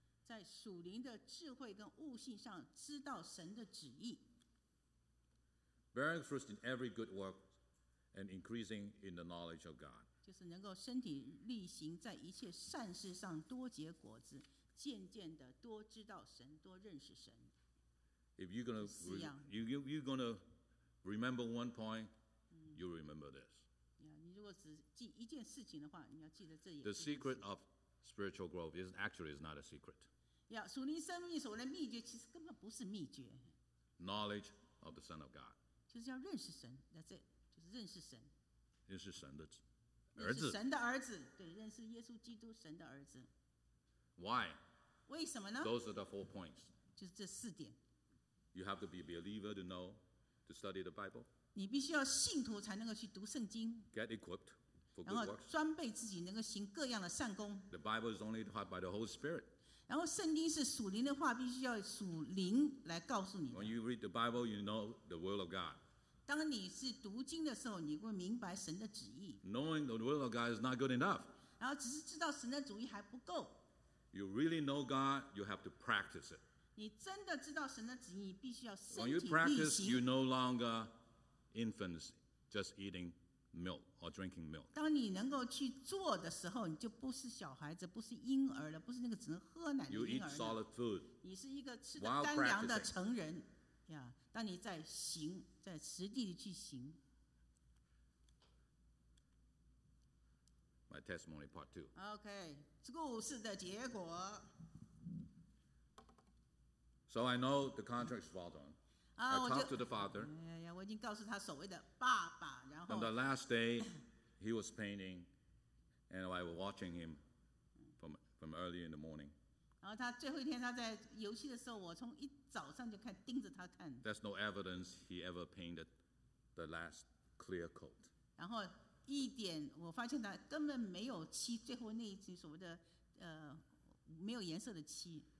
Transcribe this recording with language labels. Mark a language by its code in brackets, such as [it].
[zh] 在属灵的智慧跟悟性上知道神的旨意。 [en] Bearing fruit in every good work and increasing in the knowledge of God. [zh] 就是能够身体力行，在一切善事上多结果子，渐渐的多知道神，多认识神。 [en] If you're gonna, you're gonna remember one point, you remember this. [zh] Yeah, 你如果只记一件事情的话，你要记得这也。 [en] The secret of spiritual growth is actually is not a secret. [zh] Yeah, 属灵生命所谓的秘诀其实根本不是秘诀。 [en] Knowledge of the Son of God. [zh] 就是要认识神 ， [en] That's it， [zh] 就是认识神。认识神的儿子。认识神的儿子，对，认识耶稣基督，神的儿子。 [en] Why? [zh] 为什么呢？ [en] Those are the four points. [zh] 就是这四点。 [en] You have to be a believer to know, to study the Bible. [zh] 你必须要信徒才能够去读圣经。 [en] Get equipped for good works. [zh] 然后装备自己能够行各样的善功。 [en] The Bible is only taught by the Holy Spirit. [zh] 然后圣经是属灵的话，必须要属灵来告诉你的。 [en] When you read the Bible, you know the will of God. [zh] 当你是读经的时候，你会明白神的旨意。 [en] Knowing the will of God is not good enough. [zh] 然后只是知道神的旨意还不够。 [en] You really know God, you have to practice it. [zh] 你真的知道神的旨意，必须要身体力行。 [en] When you practice, you no longer infants just eating milk or drinking milk. [zh] 当你能够去做的时候，你就不是小孩子，不是婴儿了，不是那个只能喝奶的婴儿了。 [en] You eat solid food. [zh] 你是一个吃的干粮的成人呀。当你在行，在实地里去行。 [en] My testimony part two. [zh] Okay, 故事的结果。 [en] So I know the contract is filed on. I talked to the father. [zh] Yeah, yeah, 我已经告诉他所谓的爸爸。然后 [en] on the last day, he was painting, and I was watching him from early in the morning. [zh] 然后他最后一天他在游戏的时候，我从一早上就看盯着他看。 [en] There's no evidence he ever painted the last clear coat. [zh] 然后一点我发现他根本没有漆，最后那一层所谓的没有颜色的漆。